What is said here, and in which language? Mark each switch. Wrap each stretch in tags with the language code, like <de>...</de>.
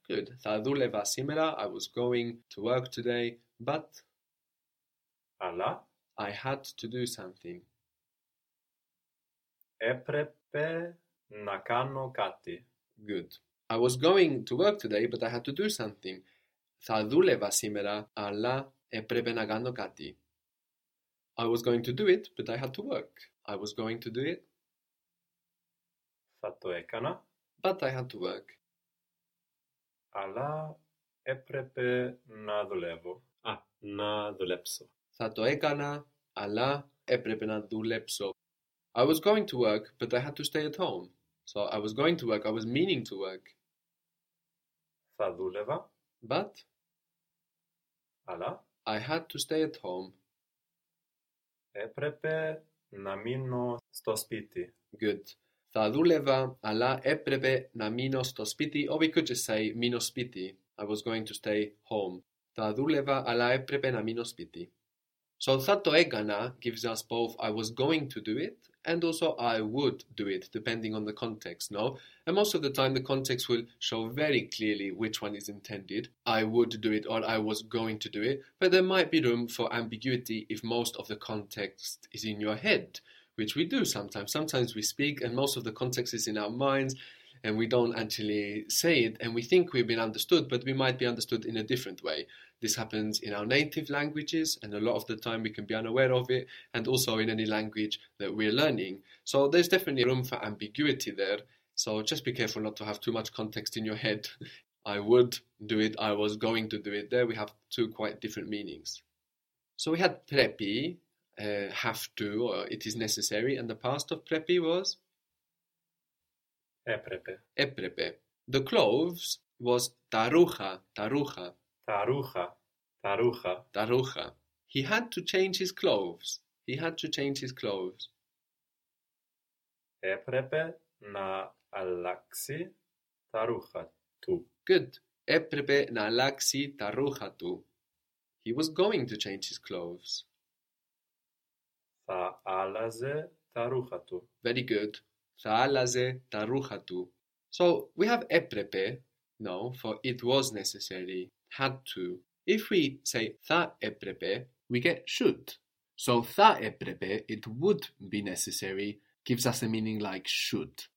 <el>Good. Θα δούλευα σήμερα.</el> <en>I was going to work today, but</en> <el>Αλλά</el> <en>I had to do something.</en> <el>έπρεπε να κάνω κάτι.</el> <en>Good. I was going to work today, but I had to do something.</en> <el>Θα δούλευα σήμερα, αλλά έπρεπε να κάνω κάτι.</el> <en>I was going to do it, but I had to work. I was going to do it,</en> <el>Θα το έκανα.</el> <en>but I had to work.</en> <el>Αλλά έπρεπε να δουλεύω. Α, να δουλέψω. Θα το έκανα, αλλά έπρεπε να δουλέψω.</el> <en>I was going to work, but I had to stay at home. So I was going to work, I was meaning to work.</en> <el>Θα δούλευα.</el> <en>But?</en> <el>Αλλά?</el> <en>I had to stay at home.</en> <el>Έπρεπε να μείνω στο σπίτι.</el> <en>Good.</en> <el>Θα δούλευα, αλλά έπρεπε να μείνω στο σπίτι.</el> <en>Or we could just say,</en> <el>μείνω σπίτι.</el> <en>I was going to stay home.</en> <el>Θα δούλευα, αλλά έπρεπε να μείνω σπίτι.</el> <en>So,</en> <el>θα το έκανα</el> <en>gives us both I was going to do it and also I would do it, depending on the context, no? And most of the time, the context will show very clearly which one is intended. I would do it or I was going to do it. But there might be room for ambiguity if most of the context is in your head, which we do sometimes. Sometimes we speak and most of the context is in our minds and we don't actually say it and we think we've been understood, but we might be understood in a different way. This happens in our native languages and a lot of the time we can be unaware of it and also in any language that we're learning. So there's definitely room for ambiguity there. So just be careful not to have too much context in your head. I would do it, I was going to do it. There we have two quite different meanings. So we had prepi, have to, or it is necessary, and the past of prepi was?</en> <el>Έπρεπε. Έπρεπε.</el> <en>The clothes was</en> <el>τα ρούχα, τα ρούχα. Τα ρούχα, τα ρούχα. Τα ρούχα.</el> <en>He had to change his clothes. He had to change his clothes.</en> <el>Έπρεπε να αλλάξει τα ρούχα του.</el> <en>Good.</en> <el>Έπρεπε να αλλάξει τα ρούχα του.</el> <en>He was going to change his clothes.</en> <el>Θα άλλαζε τα ρούχα του.</el> <en>Very good.</en> <el>Θα άλλαζε τα ρούχα του.</el> <en>So, we have έπρεπε, no, for it was necessary. Had to. If we say</en> <el>θα έπρεπε,</el> <en>we get should. So θα έπρεπε, it would be necessary, gives us a meaning like should.</en>